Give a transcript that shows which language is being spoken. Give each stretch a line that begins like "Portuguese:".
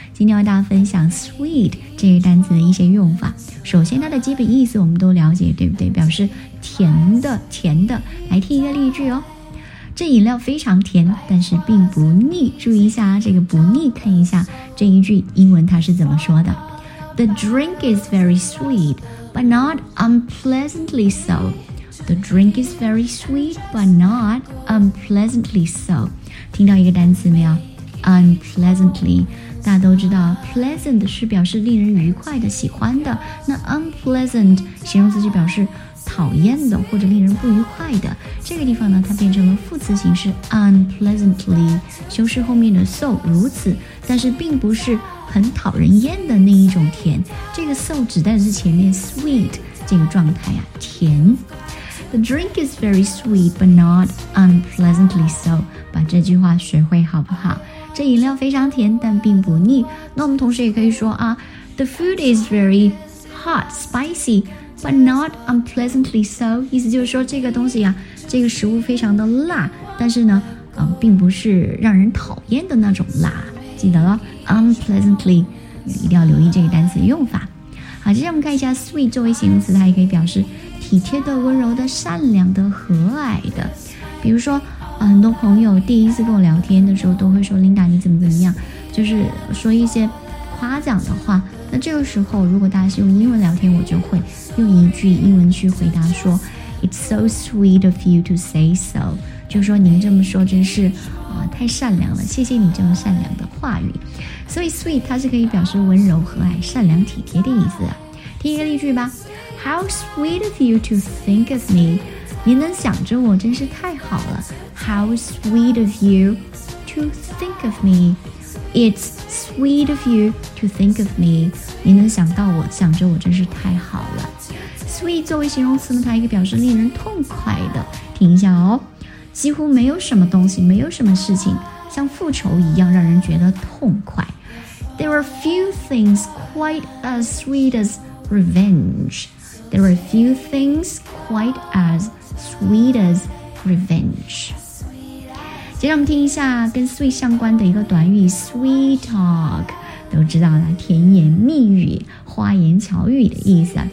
Chinese: 今天要大家分享 sweet 这个单词的一些用法。首先它的基本意思我们都了解，对不对？表示甜的甜的。来听一个例句哦，这饮料非常甜，但是并不腻。注意一下这个不腻，看一下这一句英文它是怎么说的。
English: The drink is very sweet, but not unpleasantly so. The drink is very sweet, but not unpleasantly so.
Chinese: 听到一个单词没有？Unpleasantly. 大家都知道 pleasant 是表示令人愉快的、喜欢的。那 unpleasant 形容词就表示讨厌的或者令人不愉快的。这个地方呢，它变成了副词形式 unpleasantly， 修饰后面的 so 如此，但是并不是很讨人厌的那一种甜。这个 so 指代的是前面 sweet 这个状态啊，甜。
English: The drink is very sweet, but not unpleasantly so.
Chinese: 把这句话学会好不好？这饮料非常甜，但并不腻。那我们同时也可以说啊
English: ，The food is very hot, spicy, but not unpleasantly so.
Chinese: 意思就是说，这个东西呀、啊，这个食物非常的辣，但是呢，并不是让人讨厌的那种辣。记得了 ，unpleasantly， 一定要留意这个单词的用法。好，接下来我们看一下 sweet 作为形容词，它也可以表示体贴的、温柔的、善良的、和蔼的。比如说，很多朋友第一次跟我聊天的时候都会说 Linda 你怎么怎么样，就是说一些夸奖的话。那这个时候如果大家是用英文聊天，我就会用一句英文去回答说
English: It's so sweet of you to say so，
Chinese: 就说您这么说真是、太善良了，谢谢你这么善良的话语。所以 sweet 它是可以表示温柔、和蔼、善良、体贴的意思。听一个例句吧。
English: How sweet of you to think of me，
Chinese: 您能想着我真是太好了。
English: How sweet of you to think of me. It's sweet of you to think of me.
Chinese: 你能想到我，想着我真是太好了。Sweet 作为形容词呢，它一个表示令人痛快的。听一下哦，几乎没有什么东西，没有什么事情像复仇一样让人觉得痛快。
English: There are few things quite as sweet as revenge. There are few things quite as sweet as revenge.
Chinese: 接下来我们听一下跟 sweet 相关的一个短语 sweet talk， 都知道了，甜言蜜语、花言巧语的意思啊。